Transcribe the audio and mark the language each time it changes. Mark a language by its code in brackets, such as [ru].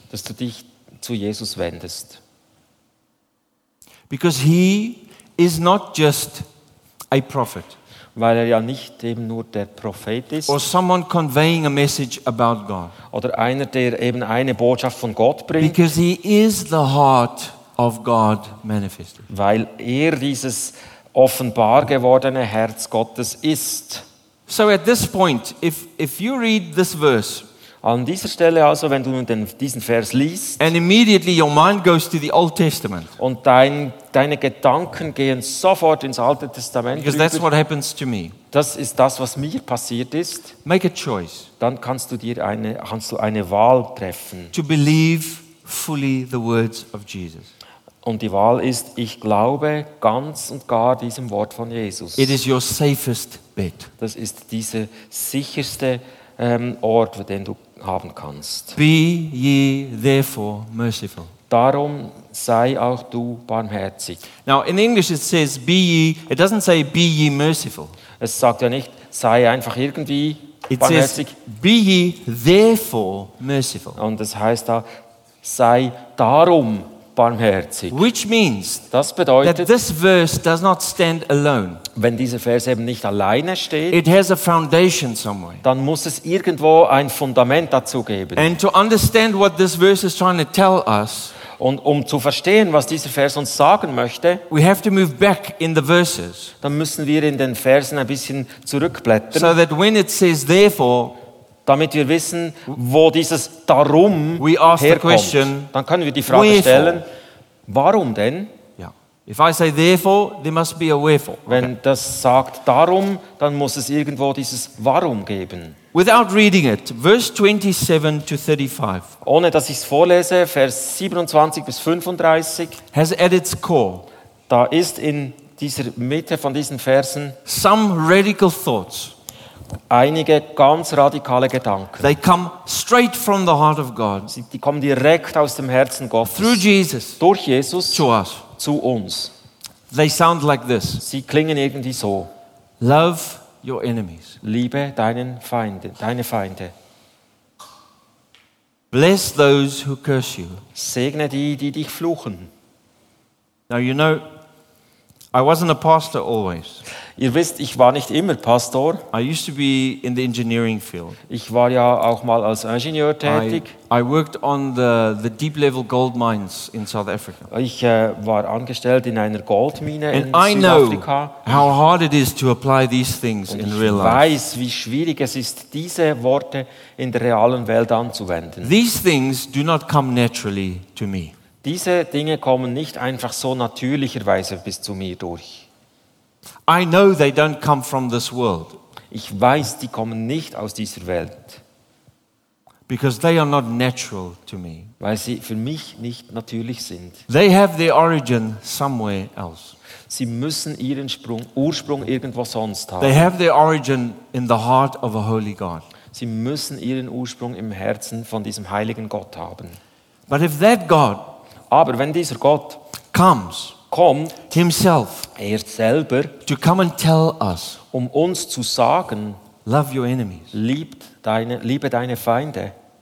[de] Dass du dich zu Jesus wendest. [en] Because he is not just a prophet. [de] Weil er ja nicht eben nur der Prophet ist, [en] or someone conveying a message about God. [de] Oder einer, der eben eine Botschaft von Gott bringt. [en] Because he is the heart of God manifested. [de] Weil er dieses offenbar gewordene Herz Gottes ist. [en] So at this point, if you read this verse, [de] an dieser Stelle also, wenn du diesen Vers liest, [en] and immediately your mind goes to the Old Testament, [de] und deine Gedanken gehen sofort ins Alte Testament, [en] because that's what happens to me. [de] Das ist das, was mir passiert ist. [en] Make a choice. [de] Dann kannst du eine Wahl treffen. [en] To believe fully the words of Jesus. [de] Und die Wahl ist, ich glaube ganz und gar diesem Wort von Jesus. [en] It is your safest bet. [de] Das ist dieser sicherste Ort, den du haben kannst. [en] Be ye therefore merciful. [de] Darum sei auch du barmherzig. [en] Now in English it says be ye, it doesn't say be ye merciful. [de] Es sagt ja nicht, sei einfach irgendwie [en] it [de] barmherzig. [en] It says be ye therefore merciful. [de] Und es heißt da, sei darum barmherzig. [en] Which means, [de] das bedeutet, [en] that this verse does not stand alone. [de] Wenn dieser Vers eben nicht alleine steht, [en] it has a foundation somewhere. [de] Dann muss es irgendwo ein Fundament dazu geben. [en] And to understand what this verse is trying to tell us, [de] und um zu verstehen, was dieser Vers uns sagen möchte, [en] we have to move back in the verses. [de] Dann müssen wir in den Versen ein bisschen zurückblättern. [en] So that when it says therefore, [de] damit wir wissen, wo dieses Darum herkommt, [en] question, [de] dann können wir die Frage [en] wherefore [de] stellen, warum denn? Yeah. [en] If I say therefore, there must be a wherefore. [de] Wenn okay das sagt darum, dann muss es irgendwo dieses Warum geben. [en] Without reading it, verse 27 to 35. [de] Ohne dass ich es vorlese, Vers 27 bis 35. [en] Has at its core. [de] Da ist in dieser Mitte von diesen Versen [en] some radical thoughts. [de] Einige ganz radikale Gedanken. [en] They come straight from the heart of God. [de] Die kommen direkt aus dem Herzen Gottes. [en] Through Jesus. [de] Durch Jesus. [en] To us. [de] Zu uns. [en] They sound like this. [de] Sie klingen irgendwie so. [en] Love your enemies. [de] Liebe deine Feinde. [en] Bless those who curse you. [de] Segne die, die dich fluchen. [en] Now you know, I wasn't a pastor always. [de] Ihr wisst, ich war nicht immer Pastor. [en] I used to be in the engineering field. [de] Ich war ja auch mal als Ingenieur tätig. [en] I worked on the deep level gold mines in South Africa. [de] Ich war angestellt in einer Goldmine [en] and [de] in Südafrika. [en] How hard it is to apply these things [de] und [en] in real life. [de] Ich weiß, wie schwierig es ist, diese Worte in der realen Welt anzuwenden. [en] These things do not come naturally to me. [de] Diese Dinge kommen nicht einfach so natürlicherweise bis zu mir durch. [en] I know they don't come from this world. [de] Ich weiß, die kommen nicht aus dieser Welt. [en] Because they are not natural to me. [de] Weil sie für mich nicht natürlich sind. [en] They have their origin somewhere else. [de] Sie müssen ihren Ursprung irgendwo sonst haben. [en] They have their origin in the heart of a holy God. [de] Sie müssen ihren Ursprung im Herzen von diesem heiligen Gott haben. [en] But if that God [de] aber wenn dieser Gott [en] comes, [de] kommt [en] himself, [de] er selber [en] to come and tell us, [de] um uns zu sagen, [en] love your enemies, [de] liebe deine Feinde,